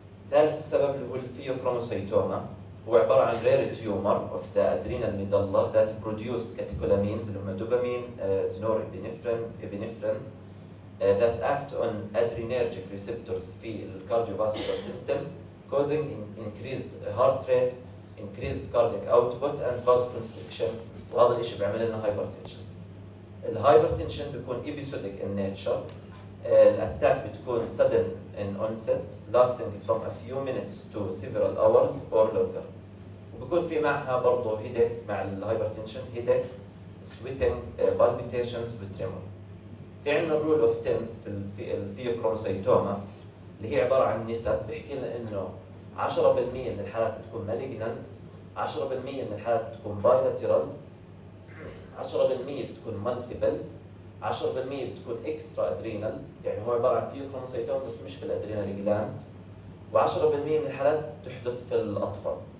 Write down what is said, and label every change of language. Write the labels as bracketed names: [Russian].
[Arabic] ثالث سبب اللي هو الفيوكروموسيتوما هو عبارة عن [English] rare tumor of the adrenal medulla that produce catecholamines [Arabic] اللي هم دوبامين [English] norepinephrine epinephrine that act on adrenergic receptors في cardiovascular system causing increased heart rate increased cardiac output and vasoconstriction. [Arabic] وهذا الاشي بيعمل لنا hypertension. [English] ال hypertension بيكون episodic in nature. [Arabic] الاتاك بتكون [English] sudden in onset lasting from a few minutes to several hours or longer. [Arabic] بيكون في معها برضو هيدك مع الهايبرتنشن هيدك سويتنج بالبيتيشنز وتريمور. في عندنا الرول اوف 10 في الفيوكروموسيتوما اللي هي عباره عن نسب بيحكي لنا انه 10% من الحالات بتكون مالجنانت 10% من الحالات بتكون بايلاترال 10% بتكون مالتيبل 10% بتكون اكسترا ادرينال يعني هو عباره عن فيوكروموسيتوما بس مش في الادرينال جلاندز و10% من الحالات تحدث في الاطفال.